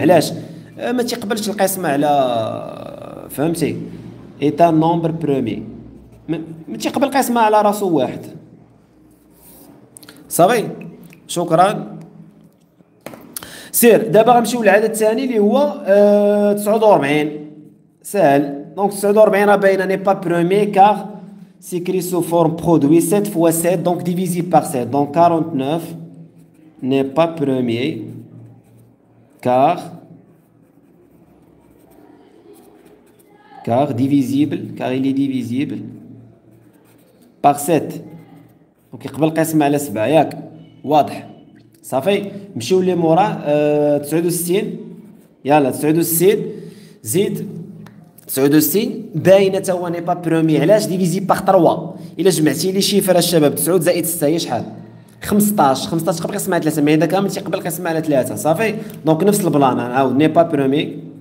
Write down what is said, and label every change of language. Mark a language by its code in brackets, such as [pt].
[ar] علاش ما تيقبلش القسم على، فهمتي؟ [fr] اي تان نومبر برومي [ar] ما تيقبل قسم على راسو واحد صافي. شكرا. سير دابا غنمشيو للعدد الثاني اللي هو 49. سهل. دونك 49 راه باينه [fr] ني با برومي كار s'écrit sous forme produit 7 fois 7, donc divisé par 7. Donc 49 n'est pas premier car divisible, car il est divisible par 7. Donc il y a le cas de la 7. [ar] واضح صافي مشيو لي مورا 69 يلا 69 زيد 69 باينه تا هو [fr] ني با برومي [ar] علاش [fr] ديفيزي بار [ar] 3 الا جمعتي لي شيفر الشباب 9 زائد 6 هي شحال 15 15 تقبل قسمها على 3 مي داك كامل تيقبل قسمها على 3 صافي دونك نفس البلان نعاود ني با برومي